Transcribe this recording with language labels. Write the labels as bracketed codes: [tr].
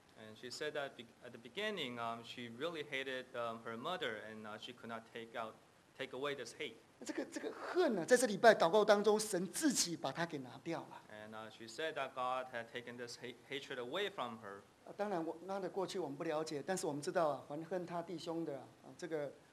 [en] And she said that at the beginning, she really hated her mother, and she could not take away this hate. [zh] 这个恨呢，在这礼拜祷告当中，神自己把它给拿掉了。 [en] And she said that God had taken this hatred away from her. [zh] 当然，那的过去我们不了解，但是我们知道啊，还恨他弟兄的啊，这个。